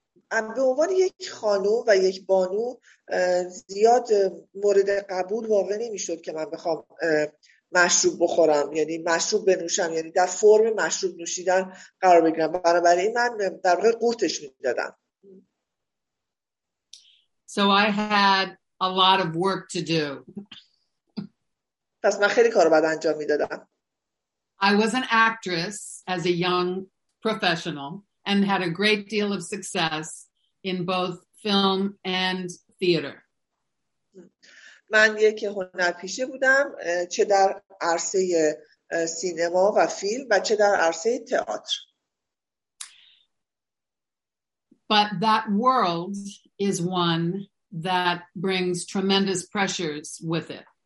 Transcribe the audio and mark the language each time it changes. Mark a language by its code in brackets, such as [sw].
[fa] به عنوان یک خانوم و یک بانو زیاد مورد قبول واقع نمی‌شد که من بخوام مشروب بخورم، یعنی مشروب بنوشم، یعنی در فرم مشروب نوشیدن قرار بگیرم. بنابراین من در واقع قورتش می‌دادم. [en] So I had a lot of work to do. [fa] پس من خیلی کارو باید انجام میدادم. [en] I was an actress as a young professional and had a great deal of success in both film and theater. [fa] من یک هنرپیشه بودم، چه در عرصه سینما و فیلم و چه در عرصه تئاتر. [en] But that world is one that brings tremendous pressures with it.